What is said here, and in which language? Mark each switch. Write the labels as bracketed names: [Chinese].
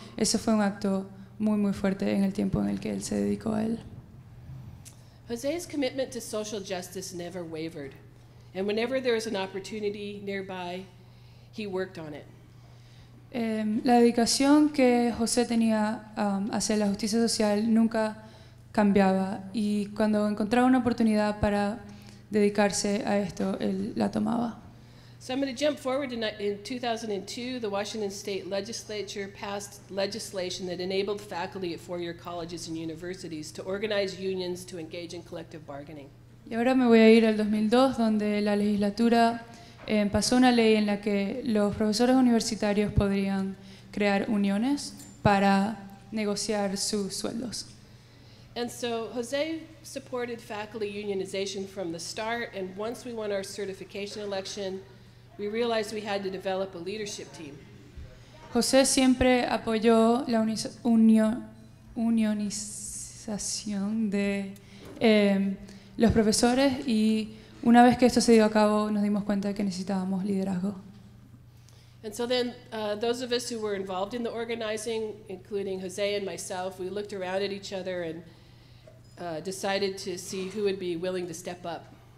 [Spanish] Eso fue un acto muy, muy fuerte en el tiempo en el que él se dedicó a él. [English] José's commitment to social justice never wavered. And whenever there was an opportunity nearby, he worked on it. [Spanish] La dedicación que José tenía hacia la justicia social nunca cambiaba, y cuando encontraba una oportunidad para dedicarse a esto, él la tomaba. [English] So I'm going to jump forward in 2002, the Washington State Legislature passed legislation that enabled faculty at four-year colleges and universities to organize unions to engage in collective bargaining. [Spanish] Y ahora me voy a ir al 2002, donde la legislatura pasó una ley en la que los profesores universitarios podrían crear uniones para negociar sus sueldos. [English] And so José supported faculty unionization from the start, and once we won our certification election, we realized we had to develop a leadership team. [Spanish] José siempre apoyó la unionización de los profesores, y una vez que esto se dio a cabo, nos dimos cuenta de que necesitábamos liderazgo. [English] And so then, those of us who were involved in the organizing, including José and myself, we looked around at each other and decided to see who would be willing to step up.